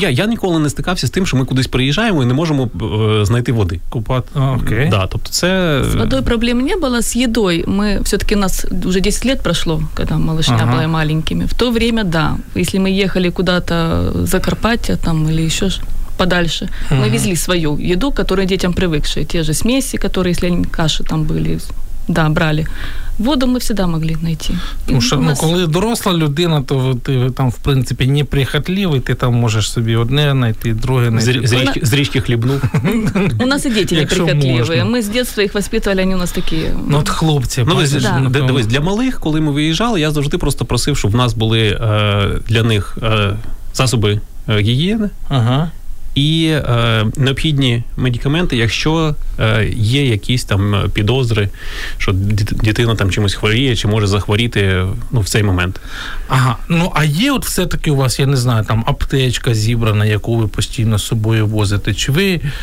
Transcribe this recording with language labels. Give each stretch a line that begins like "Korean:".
Ukrainian: Ну, я ніколи не стикався з тим, що ми кудись приїжджаємо і не можемо знайти води. Купати? Окей. Да, тобто це... З водою проблем не було, з їдою. Ми, все-таки, у нас вже 10 років пройшло, коли малышня ага. були маленькими. В то время, да. Якщо ми їхали куда-то в Закарпаття, там, или ще ж... подальше. Ага.
Russian: Мы везли свою еду, которую детям привыкшие. Те же смеси, которые, если они каши там были, да, брали. Воду мы всегда могли найти. Потому что, нас... ну, когда доросла людина, то ты там, в принципе, не прихотливый, ты там можешь себе одне найти, другое найти. Зрички зрички хлебну. У нас и дети неприхотливые. Мы с детства их воспитывали, они у нас такие...
Ukrainian: Ну, от хлопцы.
Russian: Ну, дивись, для малых, когда мы выезжали, я завжди просто просил, чтобы у нас были для них засоби гигиены.
Ukrainian: Ага. І необхідні медикаменти, якщо є якісь там підозри, що дитина там чимось хворіє, чи може захворіти, ну, в цей момент. Ага, ну, а є от все-таки у вас, я не знаю, там аптечка зібрана, яку ви постійно з собою возите, чи ви...